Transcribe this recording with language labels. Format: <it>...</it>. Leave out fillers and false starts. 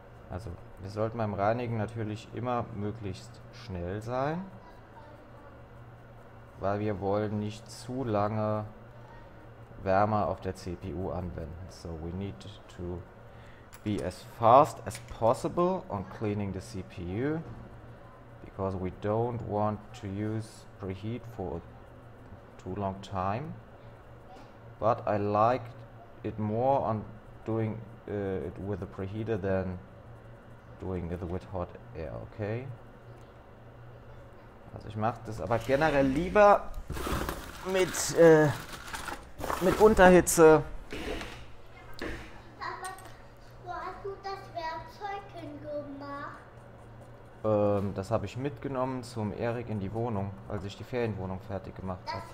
<de>Also, wir sollten beim Reinigen natürlich immer möglichst schnell sein, weil wir wollen nicht zu lange Wärme auf der CPU anwenden.</de> <en>So we need to be as fast as possible on cleaning the CPU because we don't want to use preheat for too long time. But I like it more on doing it with a preheater than doing it with hot air, okay?</en> <de>Also ich mache das aber generell lieber mit Unterhitze. Wo hast du das Werkzeug hingemacht? Das habe ich mitgenommen zum Erik in die Wohnung, als ich die Ferienwohnung fertig gemacht habe.</de>